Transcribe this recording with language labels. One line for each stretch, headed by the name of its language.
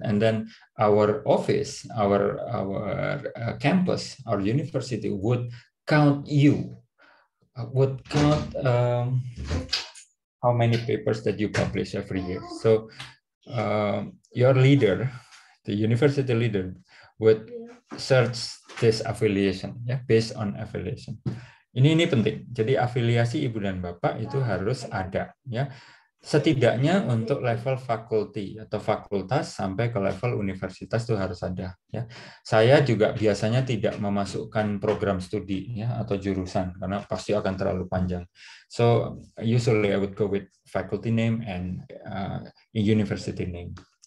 English: And then our office, our campus, our university would count you, would count how many papers that you publish every year. So your leader, the university leader, would search this affiliation, yeah, based on affiliation.
Indonesian: Ini penting. Jadi afiliasi ibu dan bapak itu harus ada, ya. Setidaknya untuk level faculty atau fakultas sampai ke level universitas itu harus ada, ya. Saya juga biasanya tidak memasukkan program studi ya atau jurusan karena pasti akan terlalu panjang.
English: So usually I would go with faculty name and university name.